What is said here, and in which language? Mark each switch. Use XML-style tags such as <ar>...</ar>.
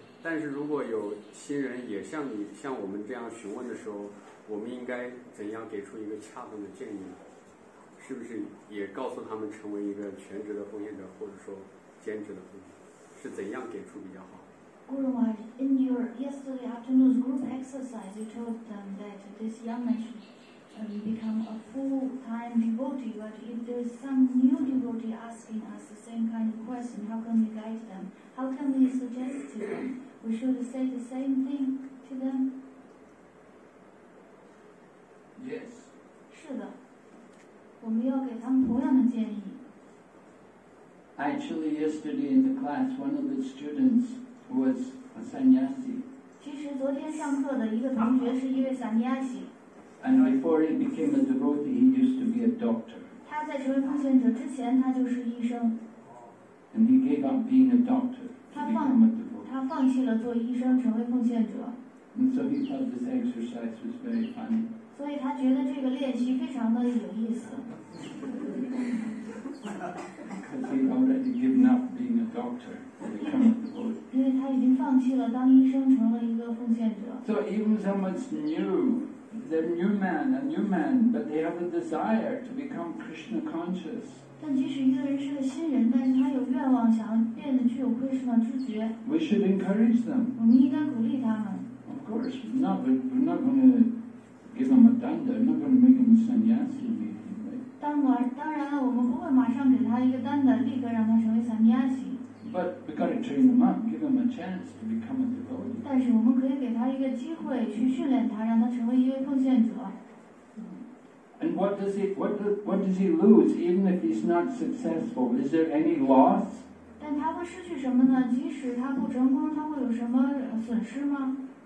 <zh>但是如果有新人也像你像我们这样询问的时候，我们应该怎样给出一个恰当的建议呢？是不是也告诉他们成为一个全职的奉献者，或者说兼职的奉献者，是怎样给出比较好？</zh> <en>Guru Maharaj, in your yesterday afternoon's group exercise, you told them that this young man should become a full-time devotee, but if there is some new devotee asking us the same kind of question, how can we guide them? How can we suggest to them? We should say the same thing to them? Yes.</en> <zh>是的，我们要给他们同样的建议。</zh> <en>Actually, yesterday in the class, one of the students,who was a sannyasi.</en> <zh>其实昨天上课的一个同学是一位 sannyasi.</zh> <en>And before he became a devotee, he used to be a doctor.</en> <zh>他在成为奉献者之前，他就是医生。</zh> <en>And he gave up being a doctor to become a devotee.</en> <zh>他放弃了做医生，成为奉献者。</zh> <en>And so he thought this exercise was very funny.</en> <zh>所以他觉得这个练习非常的有意思。</zh> <en>Because he'd already given up being a doctor to become a devotee.</en> <zh>因为他已经放弃了当医生，成了一个奉献者。</zh> <en>So even someone's new, they're a new man, but they have a desire to become Krishna conscious.</en> <zh>但即使一个人是个新人，但是他有愿望想要变得具有 Krishna 知觉。</zh> <en>We should encourage them.</en> <zh>我们应该鼓励他们。</zh> <en>Of course, we're not going to give them a danda. We're not going to make them a sannyasi.</en> <zh>当然了，我们不会马上给他一个单的，立刻让他成为萨尼亚西。</zh> <en>But we got to train him up, give him a chance to become a devotee.</en> <zh>但是我们可以给他一个机会去训练他，让他成为一位奉献者。</zh> <en>And what does he lose even if he's not successful? Is there any loss?</en> <zh>但他会失去什么呢？即使他不成功，他会有什么损失吗？</zh>